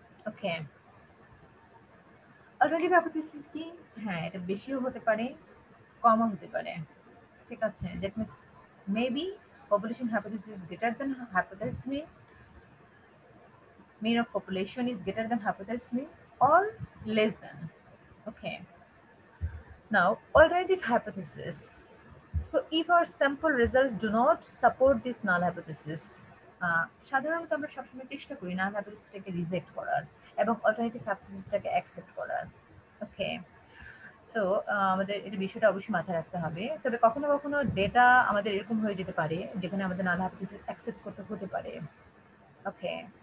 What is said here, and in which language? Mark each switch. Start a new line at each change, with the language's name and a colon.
English: okay, already hypothesis কি,
Bangla: হ্যাঁ, এটা বেশিও হতে পারে কমও হতে পারে, ঠিক আছে,
English: That means maybe population hypothesis greater than hypothesized mean, mean of population is greater than hypothesized mean or less than, okay. Now alternative hypothesis, so if our sample results do not support this null hypothesis,
Bangla: সাধারণত আমরা সবসময় চেষ্টা করি null hypothesis টাকে reject করার এবং alternative hypothesis টাকে accept করার,
English: okay.
Bangla: So আমাদের এটা বিষয়টা অবশ্যই মাথায় রাখতে হবে, তবে কখনো কখনো ডেটা আমাদের এরকম হয়ে যেতে পারে যেখানে আমাদের null hypothesis accept করতে হতে পারে, okay.